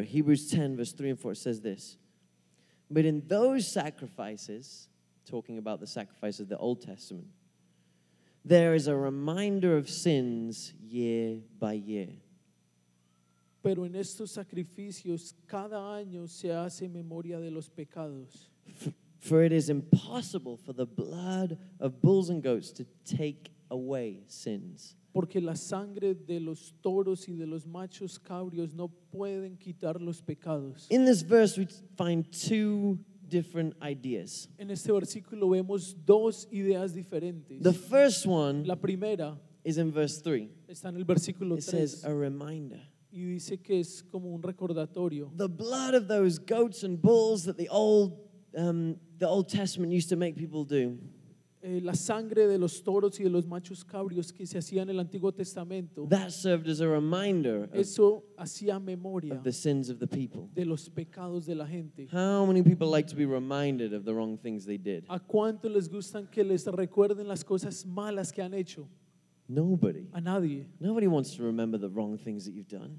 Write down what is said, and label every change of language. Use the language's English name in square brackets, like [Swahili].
[English] Hebrews 10, verse 3 and 4 says this: but in those sacrifices, talking about the sacrifice of the Old Testament, there is a reminder of sins year by year. [Spanish] Pero en estos sacrificios, cada año se hace memoria de los pecados. [English] For it is impossible for the blood of bulls and goats to take away sins. [Spanish] Porque la sangre de los toros y de los machos cabrios no pueden quitar los pecados. [English] In this verse, we find two different ideas. [Spanish] En este versículo vemos dos ideas diferentes. [English] The first one, [Spanish] la primera, [English] is in verse 3. [Spanish] Está en el versículo 3. [English] It says a reminder. [Spanish] Y dice que es como un recordatorio. [English] The blood of those goats and bulls that the old Testament used to make people do. [Spanish] La sangre de los toros y de los machos cabrios que se hacían en el Antiguo Testamento. [English] That served as a reminder. [Spanish] Eso hacía memoria [English] of the sins of the people. [Spanish] De los pecados de la gente. [English] How many people like to be reminded of the wrong things they did? [Spanish] ¿A cuánto les gustan que les recuerden las cosas malas que han hecho? [English] Nobody. [Spanish] A nadie. [English] Nobody wants to remember the wrong things that you've done.